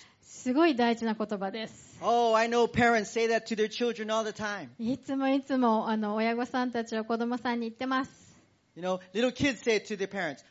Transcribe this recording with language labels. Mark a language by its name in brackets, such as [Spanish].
[Japanese] すごい大事な言葉です。 [English] Oh, I know parents say that to their children all the time. [Japanese] いつも親御さんたちは子供さんに言ってます。 [English] You know, little kids say it to their parents.